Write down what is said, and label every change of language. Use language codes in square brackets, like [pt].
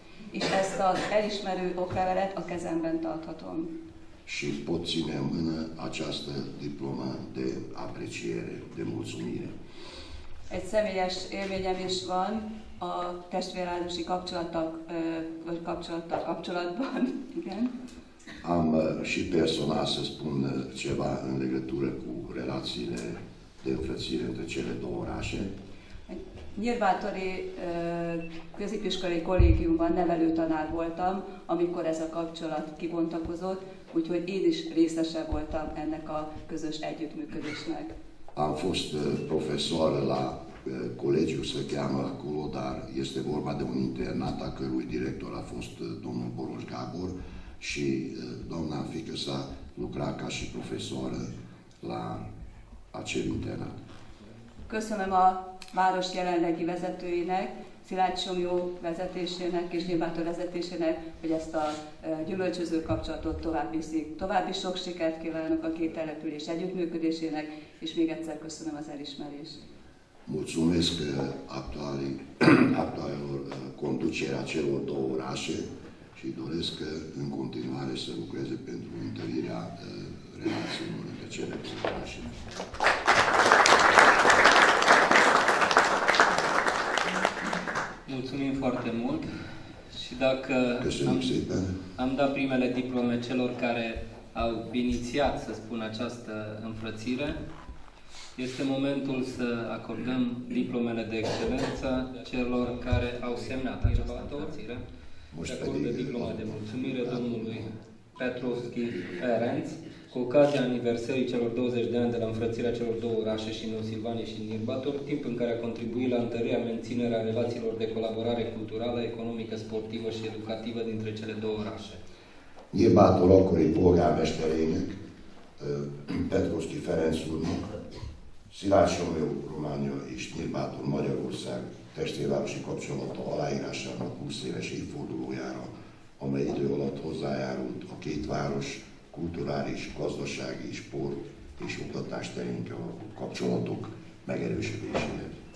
[hu] És ezt az elismerő oklevelet a kezemben tarthatom. [ro] Și pot ține în mână această diplomă de apreciere, de mulțumire. [hu] Egy személyes élményem is van a testvérházi kapcsolatban. Igen. [ro] Am și personal să spun ceva în legătură cu relațiile de înfrățire între cele două orașe. [hu] Nyírbátori középiskolai kollégiumban nevelő tanár voltam, amikor ez a kapcsolat kibontakozott, úgyhogy én is részese voltam ennek a közös együttműködésnek. [ro] Am fost profesor la colegiu, se cheamă acolo, dar este vorba de un internat a cărui director a fost domnul Boroș Gábor și doamna fiică sa lucra ca și profesoară la acel internat. [hu] Köszönöm a város jelenlegi vezetőinek, Szilágyi Somlyó vezetésének és Nyírbátor vezetésének, hogy ezt a gyümölcsöző kapcsolatot tovább viszik. További sok sikert kívánok a két település együttműködésének, és még egyszer köszönöm az elismerést. [ro] Mulțumesc actualilor conducerea celor două orașe și doresc în continuare să lucreze pentru întărirea relațiilor între cele două orașe. Mulțumim foarte mult și dacă am dat primele diplome celor care au inițiat, să spun, această înfrățire, este momentul să acordăm diplomele de excelență celor care au semnat această înfrățire. Se acordă diploma de mulțumire domnului Petrovski Ferenc cu ocazia aniversării celor 20 de ani de la înfrățirea celor două orașe și Neosilvanie și Nyírbátor, timp în care a contribuit la întărirea menținerea relațiilor de colaborare culturală, economică, sportivă și educativă dintre cele două orașe. [hu] Nyírbátor akkori polgármesterének, Petrovski Ferencnek, Szilágyi Somlyó Románia és Nyírbátor Magyarország testvérvárosi kapcsolata aláírásának 20 éves évfordulójára, amely idő alatt hozzájárult a két város kulturális, gazdasági, sport és oktatás terén a kapcsolatok megerősödéséhez.